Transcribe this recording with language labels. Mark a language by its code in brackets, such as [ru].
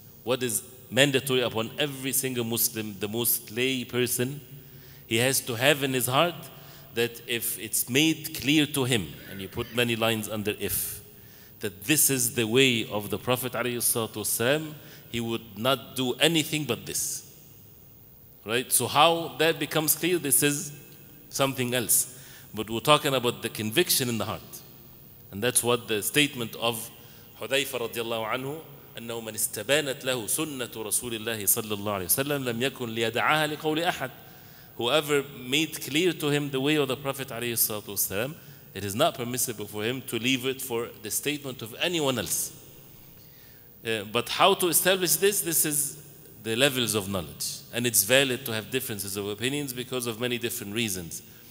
[en] What is mandatory upon every single Muslim, the most lay person, he has to have in his heart that if it's made clear to him, and you put many lines under if, that this is the way of the Prophet ﷺ, he would not do anything but this. Right, so how that becomes clear, this is something else. But we're talking about the conviction in the heart. And that's what the statement of Hudhayfa radiallahu anhu, [ar] أنه من استبانت له سنة رسول الله صلى الله عليه وسلم لم يكن ليدعاها لقول أحد. [en] Whoever made clear to him the way of the Prophet عليه الصلاة والسلام, it is not permissible for him to leave it for the statement of anyone else. But how to establish this? This is the levels of knowledge. And it's valid to have differences of opinions because of many different reasons.